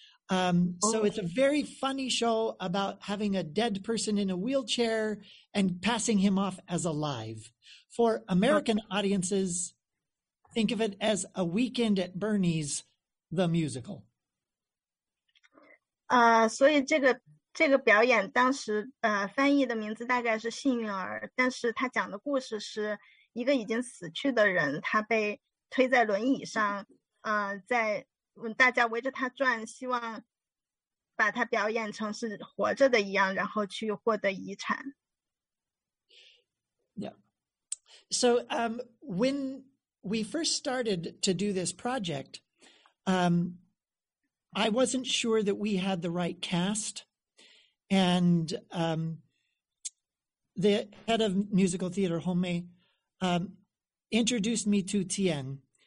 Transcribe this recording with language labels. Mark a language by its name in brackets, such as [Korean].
[English] So it's a very funny show about having a dead person in a wheelchair and passing him off as alive. For American audiences, think of it as A Weekend at Bernie's, the musical. [Chinese] 所以这个表演当时翻译的名字大概是幸运儿，但是他讲的故事是一个已经死去的人，他被推在轮椅上，在大家围着他转，希望把他表演成是活着的一样，然后去获得遗产。 [English] Yeah. So when we first started to do this project, I wasn't sure that we had the right cast. And the head of musical theater, Homei, introduced me to Tien.